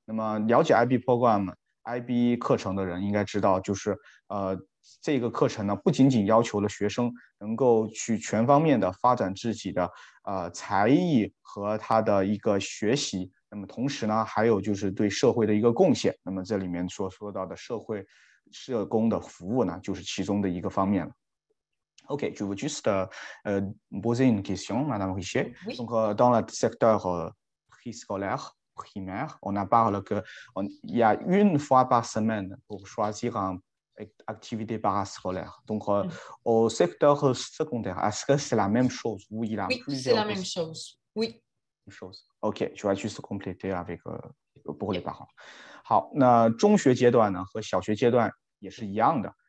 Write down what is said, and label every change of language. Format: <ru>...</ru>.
<zh>那么了解 IB program、 IB 课程的人应该知道，就是这个课程呢，不仅仅要求了学生能够去全方面的发展自己的才艺和他的一个学习，那么同时呢，还有就是对社会的一个贡献。那么这里面所说到的社会社工的服务呢，就是其中的一个方面了。</zh> <fr>OK, je veux juste poser une question, Madame Richer. Oui. Donc, dans le secteur préscolaire, primaire, on a parlé qu'il y a une fois par semaine pour choisir une activité parascolaire. Donc, au secteur secondaire, est-ce que c'est la même chose où il y a oui, plusieurs... c'est la même chose. Oui. Même chose. OK, je vais juste compléter avec, pour les parents.</fr> <zh>好，那中学阶段呢，和小学阶段也是一样的。</zh>